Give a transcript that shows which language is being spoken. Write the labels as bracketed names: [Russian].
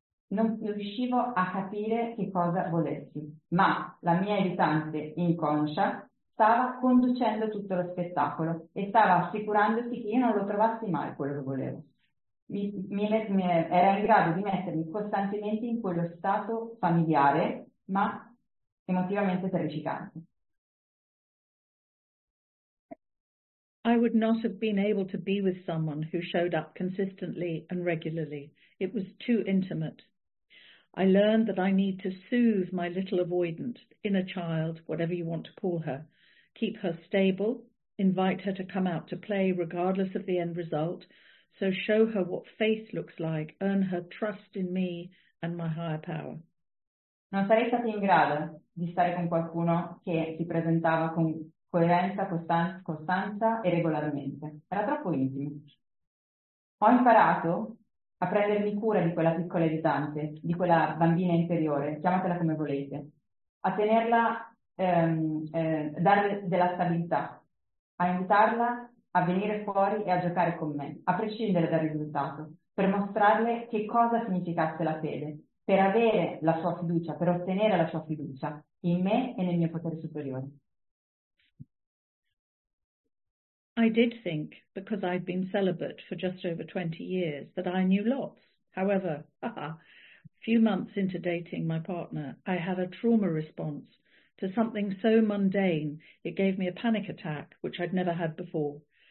[Italian] Non riuscivo a capire che cosa volessi, ma la mia esitante inconscia stava conducendo tutto lo spettacolo e stava assicurandosi che io non lo trovassi mai quello che volevo. Era in grado di mettermi costantemente in quello stato familiare, ma emotivamente terrificante. [English] I would not have been able to be with someone who showed up consistently and regularly. It was too intimate. I learned that I need to soothe my little avoidant, inner child, whatever you want to call her, keep her stable, invite her to come out to play regardless of the end result, so show her what faith looks like, earn her trust in me and my higher power. [Italian] Non sarei stata in grado di stare con qualcuno che si presentava con coerenza, costanza e regolarmente. Era troppo intimo. Ho imparato a prendermi cura di quella piccola esitante, di quella bambina interiore, chiamatela come volete, a tenerla, darle della stabilità, a aiutarla a venire fuori e a giocare con me, a prescindere dal risultato, per mostrarle che cosa significasse la fede, per avere la sua fiducia, per ottenere la sua fiducia in me e nel mio potere superiore. [English] I did think, because I'd been celibate for just over 20 years, that I knew lots. However, a few months into dating my partner, I had a trauma response to something so mundane it gave me a panic attack, which I'd never had before.